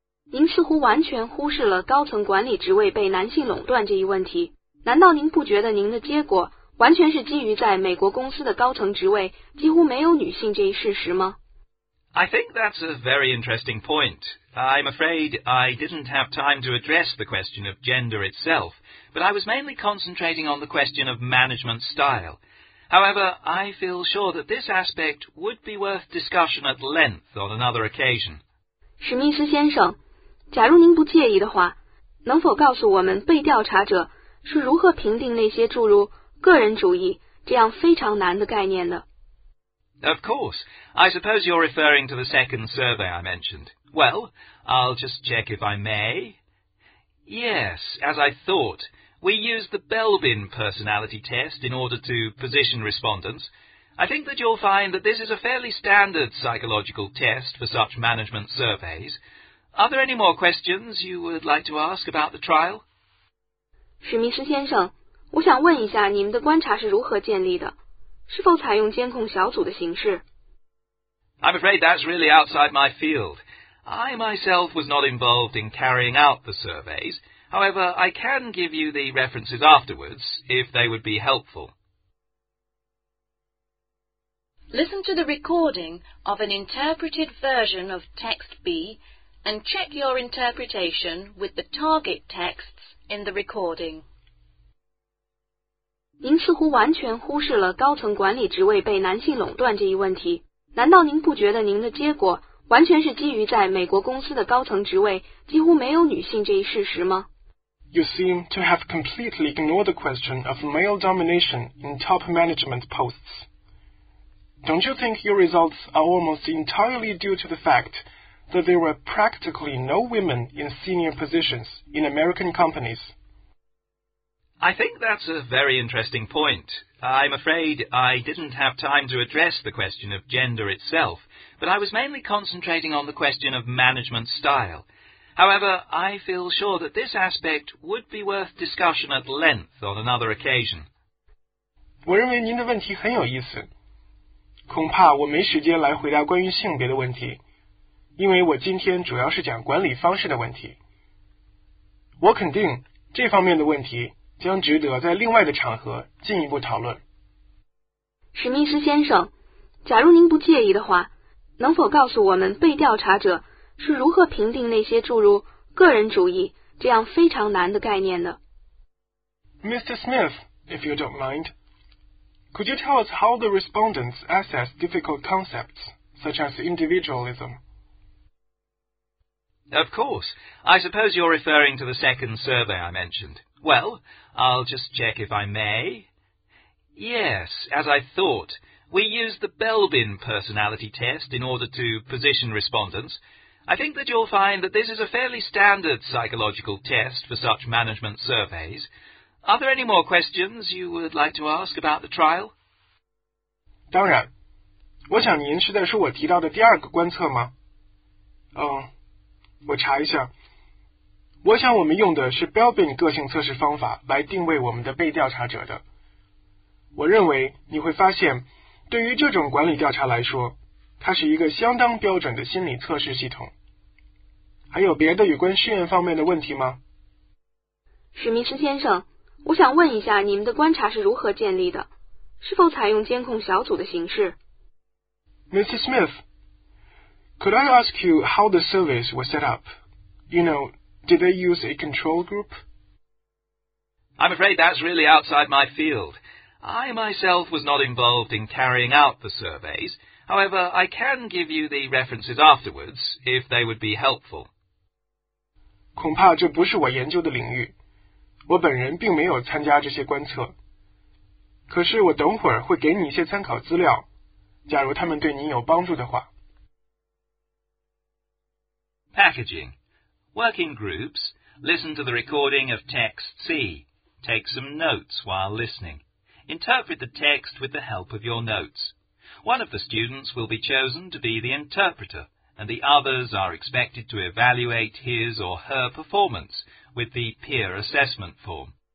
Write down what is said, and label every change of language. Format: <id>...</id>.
<zh>您似乎完全忽视了高层管理职位被男性垄断这一问题。难道您不觉得您的结果完全是基于在美国公司的高层职位几乎没有女性这一事实吗？</zh> <en>I think that's a very interesting point. I'm afraid I didn't have time to address the question of gender itself, but I was mainly concentrating on the question of management style. However, I feel sure that this aspect would be worth discussion at length on another occasion.</en> <zh>史密斯先生，假如您不介意的话，能否告诉我们被调查者是如何评定那些诸如个人主义这样非常难的概念的？</zh> <en>Of course. I suppose you're referring to the second survey I mentioned. Well, I'll just check if I may. Yes, as I thought, we use the Belbin personality test in order to position respondents. I think that you'll find that this is a fairly standard psychological test for such management surveys. Are there any more questions you would like to ask about the trial?</en> <zh>史密斯先生，我想问一下你们的观察是如何建立的？是否采用监控小组的形式？</zh> <en>I'm afraid that's really outside my field. I myself was not involved in carrying out the surveys. However, I can give you the references afterwards if they would be helpful. Listen to the recording of an interpreted version of text B and check your interpretation with the target texts in the recording.</en> <zh>您似乎完全忽视了高层管理职位被男性垄断这一问题。难道您不觉得您的结果完全是基于在美国公司的高层职位几乎没有女性这一事实吗？</zh> <en>You seem to have completely ignored the question of male domination in top management posts. Don't you think your results are almost entirely due to the fact that there were practically no women in senior positions in American companies? I think that's a very interesting point. I'm afraid I didn't have time to address the question of gender itself, but I was mainly concentrating on the question of management style. However, I feel sure that this aspect would be worth discussion at length on another occasion.</en> <zh>我认为您的问题很有意思。恐怕我没时间来回答关于性别的问题，因为我今天主要是讲管理方式的问题。我肯定这方面的问题将值得在另外的场合进一步讨论。史密斯先生，假如您不介意的话，能否告诉我们被调查者是如何评定那些诸如个人主义这样非常难的概念的？</zh> <en>Mr. Smith, if you don't mind, could you tell us how the respondents assess difficult concepts such as individualism? Of course. I suppose you're referring to the second survey I mentioned. Well, I'll just check if I may. Yes, as I thought, we use the Belbin personality test in order to position respondents. I think that you'll find that this is a fairly standard psychological test for such management surveys. Are there any more questions you would like to ask about the trial?</en> <zh>当然，我想您是在说我提到的第二个观测吗？我查一下，我想我们用的是 Belbin 个性测试方法来定位我们的被调查者的。我认为你会发现，对于这种管理调查来说，它是一个相当标准的心理测试系统。还有别的有关试验方面的问题吗？史密斯先生，我想问一下你们的观察是如何建立的？是否采用监控小组的形式？</zh> <en>Mr. Smith,Could I ask you how the surveys were set up? You know, did they use a control group? I'm afraid that's really outside my field. I myself was not involved in carrying out the surveys. However, I can give you the references afterwards if they would be helpful.</en> <zh>恐怕这不是我研究的领域。我本人并没有参加这些观测。可是我等会儿会给你一些参考资料，假如他们对你有帮助的话。</zh> <en>Packaging. Working groups, listen to the recording of text C. Take some notes while listening. Interpret the text with the help of your notes. One of the students will be chosen to be the interpreter, and the others are expected to evaluate his or her performance with the peer assessment form.</en>